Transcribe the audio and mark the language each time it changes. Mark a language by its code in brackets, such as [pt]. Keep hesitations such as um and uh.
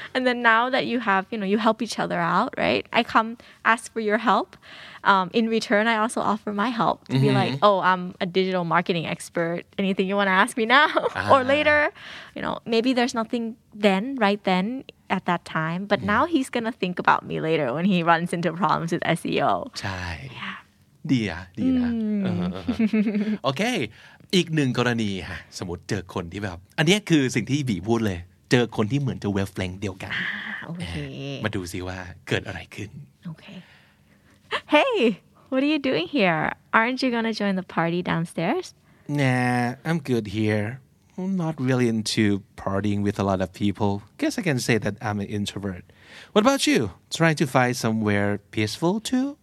[en] And then now that you have, you know, you help each other out, right? I come ask for your help. Um, in return, I also offer my help to be like, oh, I'm a digital marketing expert. Anything you want to ask me now or later? You know, maybe there's nothing then, right then at that time. But now he's going to think about me later when he runs into problems with SEO. [th] ใช่ ดีอะดีนะเออโอเค อีกหนึ่งกรณีฮะสมมติเจอคนที่แบบ อันเนี้ยคือสิ่งที่บีพูดเลย เจอคนที่เหมือนจะเวฟเลงเดียวกัน [en] Okay. [th] มาดูซิว่าเกิดอะไรขึ้น [en] Okay. Hey, what are you doing here? Aren't you going to join the party downstairs? Nah, I'm good here. I'm not really into partying with a lot of people. Guess I can say that I'm an introvert. What about you? Trying to find somewhere peaceful too?